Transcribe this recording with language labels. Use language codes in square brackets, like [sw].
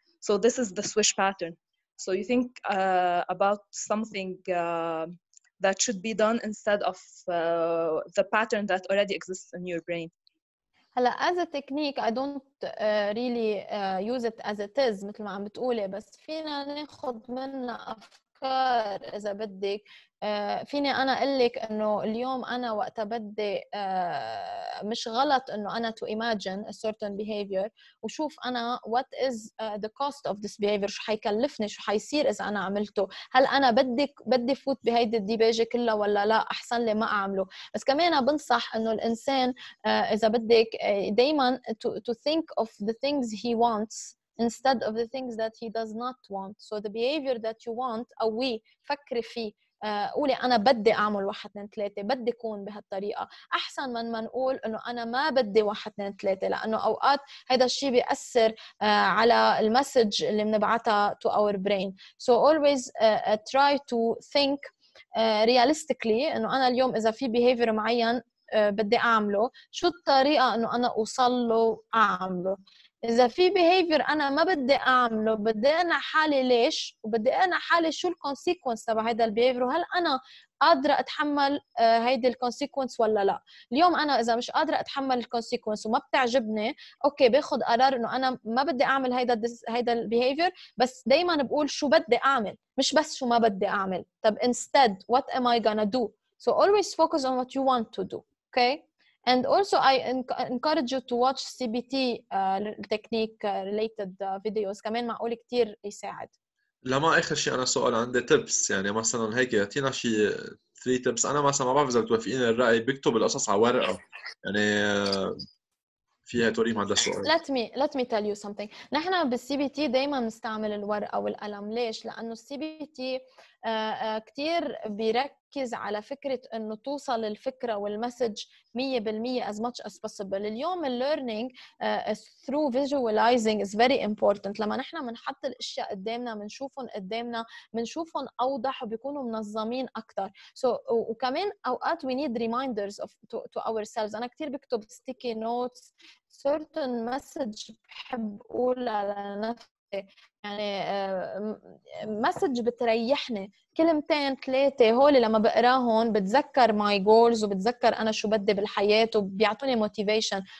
[en] So this is the switch pattern. So you think about something that should be done instead of the pattern that already exists in your brain. [ar] هلا as a technique I don't really use it as it is مثل ما عم بتقولي, بس فينا ناخد منها أفكار إذا بدك. فيني أنا أقولك إنه اليوم أنا وقت بدي مش غلط إنه أنا to imagine a certain behavior وشوف أنا what is the cost of this behavior, شو حيكلفني, شو حيصير إذا أنا عملته, هل أنا بدي فوت بهيدي الديباجة كلها ولا لا, أحسن لي ما أعمله. [en] بس كمان بنصح إنه الإنسان إذا بدك دايما to think of the things he wants instead of the things that he does not want. [ar] So the behavior that you want أو we فكر فيه, قولي أنا بدي أعمل 1-2-3, بدي أكون بهالطريقة, أحسن من ما نقول أنه أنا ما بدي 1-2-3, لأنه أوقات هذا الشيء بيأثر على المسج اللي منبعتها to our brain. So always try to think realistically أنه أنا اليوم إذا في behavior معين بدي أعمله, شو الطريقة أنه أنا أوصل له أعمله. إذا في behavior أنا ما بدي أعمله, بدي أنا حالي ليش, وبدي أنا حالي شو الconsequence تبع هيدا behavior, وهل أنا قادرة أتحمل هيدا الconsequence ولا لا. اليوم أنا إذا مش قادرة أتحمل الconsequence وما بتعجبني, أوكي باخد قرار أنه أنا ما بدي أعمل هيدا behavior, بس دايما بقول شو بدي أعمل مش بس شو ما بدي أعمل. [en] طب instead what am I gonna do, so always focus on what you want to do. Okay. And also, I encourage you to watch CBT technique-related videos. [ar] كمان معقول كتير يساعد. لما آخر شيء أنا سؤال عندي tips, يعني مثلاً هيك يعطينا شيء 3 tips. أنا مثلاً ما بعرف إذا بتوافقيني الرأي, بكتب القصص على ورقة. يعني فيها توريم عند السؤال. [en] Let me tell you something. [ar] نحن بالCBT دائماً نستعمل الورقة والقلم. ليش؟ لأنه CBT كتير بيركز على فكرة أنه توصل الفكرة والمسج 100% as much as possible. [en] اليوم learning through visualizing is very important. [ar] لما نحن منحط الأشياء قدامنا منشوفهم أوضح وبيكونوا منظمين أكتر. [en] So, وكمان أوقات we need reminders to ourselves. [ar] أنا كتير بكتب sticky notes certain message بحب أقولها لنفسي, يعني مسج بتريحني كلمتين ثلاثة هولي لما بقراهم بتذكر my goals وبتذكر أنا شو بدي بالحياة وبيعطوني motivation.